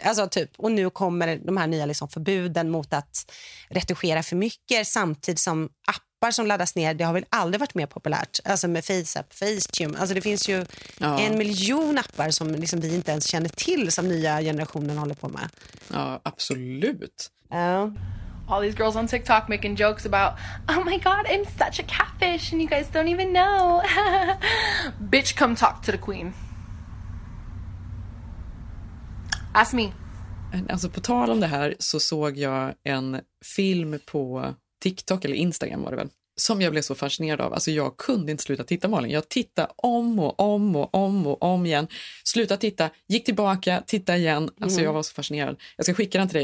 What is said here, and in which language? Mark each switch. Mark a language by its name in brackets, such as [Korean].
[Swedish] Alltså typ, och nu kommer de här nya liksom förbuden mot att retuschera för mycket, samtidigt som appar som laddas ner, det har väl aldrig varit mer populärt. Alltså med FaceApp, Facetune. Alltså det finns ju en miljon appar som liksom vi inte ens känner till, som nya generationen håller på med. Ja, absolut. Ja. [English] All these girls on TikTok making jokes about, oh my god, I'm such a catfish and you guys don't even know. Bitch, come talk to the queen. Ask me. [Swedish] Alltså, på tal om det här så såg jag en film på TikTok, eller Instagram var det väl, som jag blev så fascinerad av. Alltså jag kunde inte sluta titta, Malin. Jag tittade om och om och om och om igen. Sluta titta, gick tillbaka, titta igen. Alltså jag var så fascinerad. Jag ska skicka den till dig.